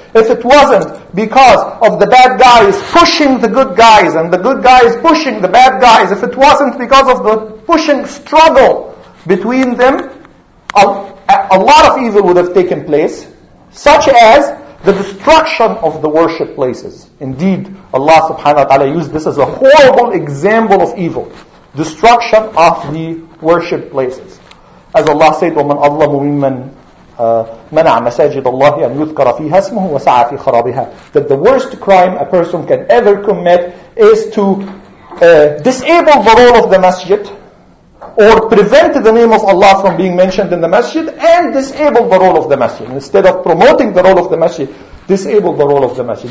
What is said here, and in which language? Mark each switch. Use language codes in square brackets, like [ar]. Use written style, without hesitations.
[en] If it wasn't because of the bad guys pushing the good guys and the good guys pushing the bad guys, if it wasn't because of the pushing struggle between them, a lot of evil would have taken place, such as the destruction of the worship places. Indeed, Allah subhanahu wa ta'ala used this as a horrible example of evil. Destruction of the worship places. As Allah said, [ar] وَمَنْ أَظْلَمُ مِمَّنْ مَنَعَ مَسَاجِدَ اللَّهِ أَنْ يُذْكَرَ فِيهَا اسْمُهُ وَسَعَى فِي خَرَابِهَا. [en] That the worst crime a person can ever commit is to disable the role of the masjid, or prevent the name of Allah from being mentioned in the masjid, and disable the role of the masjid. Instead of promoting the role of the masjid, disable the role of the masjid.